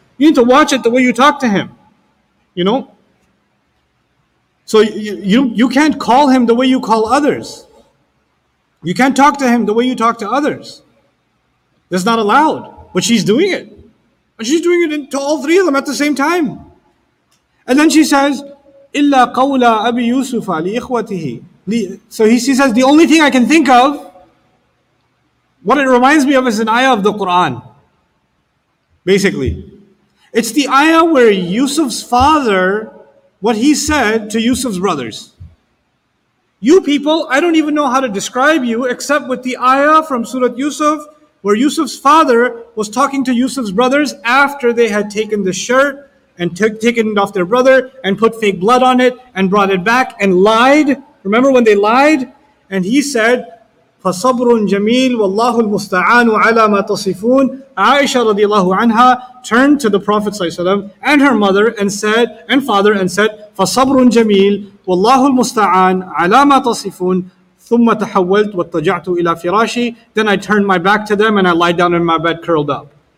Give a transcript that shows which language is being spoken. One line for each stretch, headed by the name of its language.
English: You need to watch it the way you talk to him. You know? So you can't call him the way you call others. You can't talk to him the way you talk to others. That's not allowed. But she's doing it. And she's doing it to all three of them at the same time. And then she says,
Arabic: إِلَّا قَوْلَ أَبِي يُوسُفَ لِإِخْوَتِهِ.
English: So she says, the only thing I can think of, what it reminds me of is an ayah of the Quran. Basically. It's the ayah where Yusuf's father, what he said to Yusuf's brothers. You people, I don't even know how to describe you except with the ayah from Surah Yusuf, where Yusuf's father was talking to Yusuf's brothers after they had taken the shirt and taken it off their brother and put fake blood on it and brought it back and lied. Remember when they lied? And he said,
Arabic: فَصَبْرٌ جَمِيلٌ وَاللَّهُ الْمُسْتَعَانُ عَلَى مَا تَصِفُونَ.
English: Aisha radiallahu anha turned to the Prophet ﷺ and her mother and said, and father, and said,
Arabic: فَصَبْرٌ جَمِيلٌ وَاللَّهُ الْمُسْتَعَانُ عَلَى مَا تَصِفُونَ. ثُمَّ تَحَوَّلْتُ وَاتَّجَعْتُ إِلَى فِرَاشِي.
English: Then I turned my back to them and I lied down in my bed curled up.